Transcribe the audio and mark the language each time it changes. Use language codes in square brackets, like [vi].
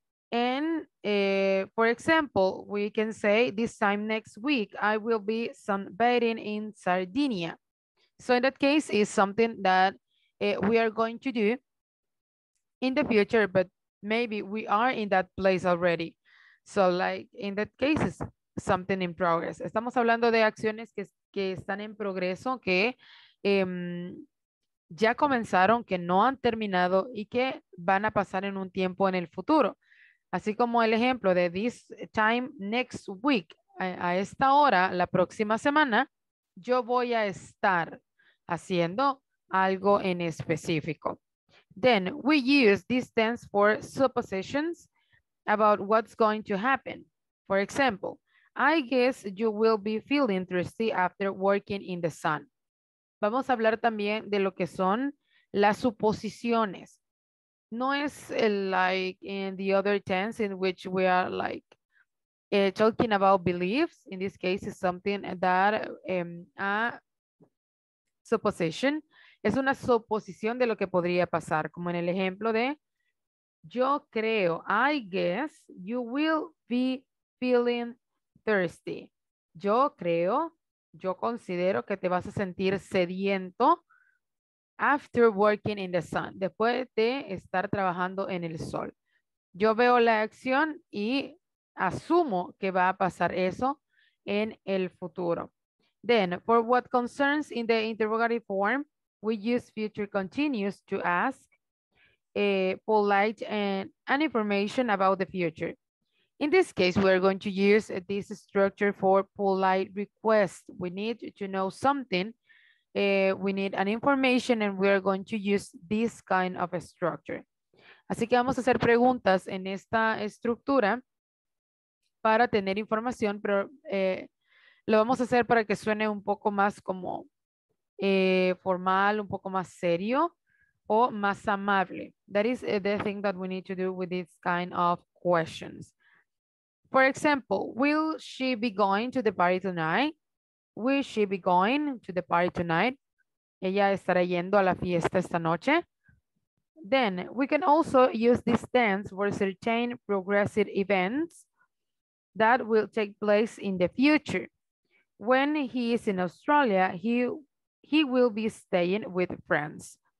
[en] And for example, we can say this time next week, I will be sunbathing in Sardinia. So in that case, it's something that we are going to do in the future, but maybe we are in that place already. So like in that case, it's something in progress. [es] Estamos hablando de acciones que están en progreso, que ya comenzaron, que no han terminado y que van a pasar en un tiempo en el futuro. Así como el ejemplo de [en] this time next week, [es] a esta hora, la próxima semana, yo voy a estar haciendo algo en específico. [en] Then we use this tense for suppositions about what's going to happen. For example, I guess you will be feeling thirsty after working in the sun. [es] Vamos a hablar también de lo que son las suposiciones. No es [en] like in the other tense in which we are like talking about beliefs. In this case, it's something that a supposition. [es] Es una suposición de lo que podría pasar, como en el ejemplo de yo creo, [en] I guess you will be feeling thirsty. [es] Yo creo, yo considero que te vas a sentir sediento [en] after working in the sun, [es] después de estar trabajando en el sol. Yo veo la acción y asumo que va a pasar eso en el futuro. [en] Then, for what concerns in the interrogative form, we use future continuous to ask a polite and an information about the future. In this case, we're going to use this structure for polite request. We need to know something. We need an information and we're going to use this kind of a structure. [es] Así que vamos a hacer preguntas en esta estructura para tener información, pero lo vamos a hacer para que suene un poco más como formal, un poco más serio o más amable. [en] That is the thing that we need to do with this kind of questions. For example, will she be going to the party tonight? Will she be going to the party tonight? [es] ¿Ella estará yendo a la fiesta esta noche? [en] Then we can also use this tense for certain progressive events that will take place in the future. When he is in Australia, he will be staying with friends.